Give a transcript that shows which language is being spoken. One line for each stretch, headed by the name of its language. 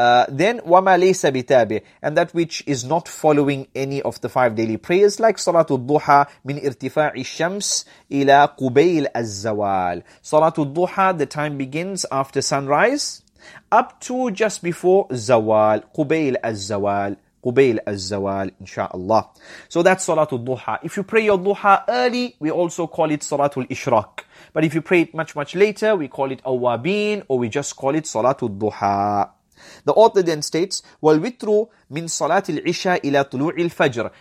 English: Then
Arabic: وَمَا لَيْسَ بِتَابِعٍ,
English: and that which is not following any of the five daily prayers, like
Arabic: صَلَاتُ الضُّحَى مِنْ إِرْتِفَاعِ الشَّمْسِ إِلَى قُبَيْلِ الزَّوَالِ. صَلَاتُ الضُّحَى,
English: the time begins after sunrise up to just before زَوَال,
Arabic: قُبَيْلِ الزَّوَالِ. قُبَيْل الزَّوَال, inshaAllah.
English: So that's Salatul Duha. If you pray your Duha early, we also call it Salatul Ishraq. But if you pray it much, much later, we call it Awabin, or we just call it Salatul Duha. The author then states,
Arabic: وَالْوِتْرُ مِنْ صَلَاةِ الْعِشَىٰ إِلَىٰ طُلُوعِ الْفَجْرِ.